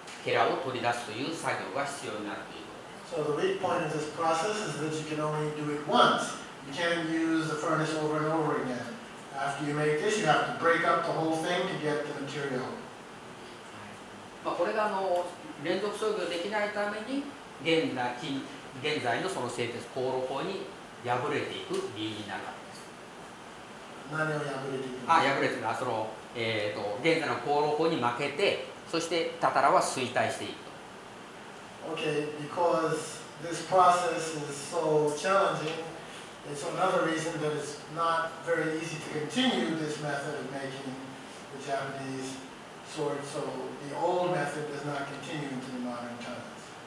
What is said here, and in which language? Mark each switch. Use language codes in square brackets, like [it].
[ja] 実はこれは大きな弱点がありまして、連続操業ができないということ。このように、1回の操業ごとに炉を壊して、ケラを取り出すという作業が必要になるという。 [en] So the weak point of this process is that you can only do it once. You can't use the furnace over and over again. After you make this, you have to break up the whole thing to get the material. [ja] これが連続操業できないために、現在の製鉄高炉法に破れていく理由になるわけです。何を破れていくの？破れていくのは、現在の高炉法に負けて、そして、たたらは衰退していく。 [en] Okay, because this process is so challenging, it's another reason that it's not very easy to continue this method of making the Japanese sword, so the old method does not continue into the modern times.